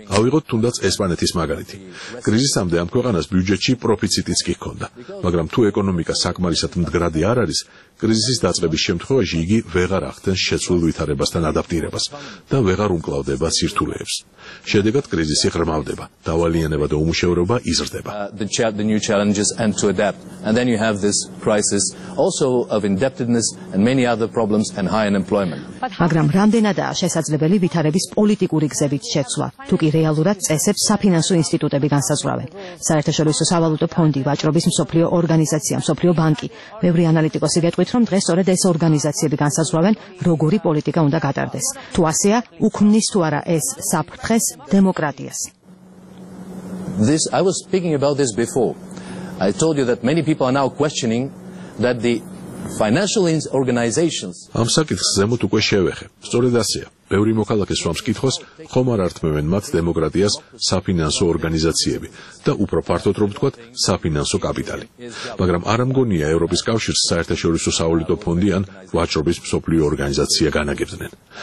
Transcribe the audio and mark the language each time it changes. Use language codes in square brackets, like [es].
[ka] ავიღოთ თუნდაც ესპანეთის მაგალითი. კრიზისამდე ამ ქვეყანას ბიუჯეტში პროფიციტიც კი ჰქონდა, მაგრამ თუ ეკონომიკა საკმარისად მდგრადი არ არის, კრიზისის დაწყების შემთხვევაში იგი ვეღარ ახდენს შეცვლილ ვითარებასთან ადაპტირებას და ვეღარ უმკლავდება სირთულეებს. შედეგად კრიზისი ღრმავდება, დავალიანება და უმუშევრობა იზრდება. [en] The new challenges and to adapt. And then you have this crisis also of indebtedness and many other problems and high unemployment. [ka] მაგრამ რამდენადაა შესაძლებელი ვითარების პოლიტიკური გზებით შეცვლა, თუ კი რეალურად წესებს საფინანსო ინსტიტუტები განსაზღვრავენ? საერთაშორისო სავალუტო ფონდი, ვაჭრობის მსოფლიო ორგანიზაცია, მსოფლიო ბანკი, ბევრი ანალიტიკოსი გეტყვით, რომ დღეს სწორედ ეს ორგანიზაციები განსაზღვრავენ, როგორი პოლიტიკა უნდა გატარდეს. თუ ასეა, უქმნის თუ არა ეს საფრთხეს დემოკრატიას? [en] This I was speaking about this before. I told you that many people are now questioning that the financial organizations [ka] ამ საკითხს ზემოთ უკვე შევეხე. სწორედ ასეა. ბევრი მოქალაქე სვამს კითხოს, ხომ არ ართმევენ მათ დემოკრატიას საფინანსო ორგანიზაციები და უფრო ფართოდ რომ ვთქვათ, საფინანსო კაპიტალი. მაგრამ არ ამგონია ევროპის კავშირს საერთაშორისო სავალუტო ფონდი ან ვაჭრობის მსოფლიო ორგანიზაცია განაგებდნენ.